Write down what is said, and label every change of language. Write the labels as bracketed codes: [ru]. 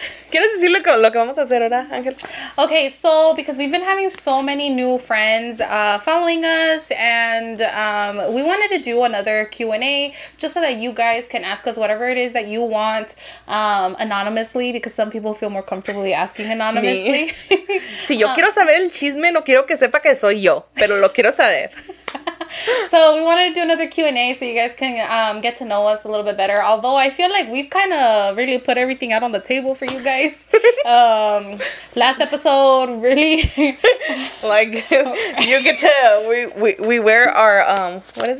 [es] ¿Quieres decir lo que vamos a hacer ahora, Ángel? [en] Okay, so because we've been having so many new friends following us, and we wanted to do another Q&A just so that you guys can ask us whatever it is that you want anonymously, because some people feel more comfortable asking anonymously. [es] Si yo quiero saber el chisme, no quiero que sepa que soy yo, pero lo quiero saber. [en] So we wanted to do another Q&A so you guys can get to know us a little bit better. Although I feel like we've kind of really put everything out on the table for you guys. Last episode, really. Like, you can tell. We wear our, what is it called?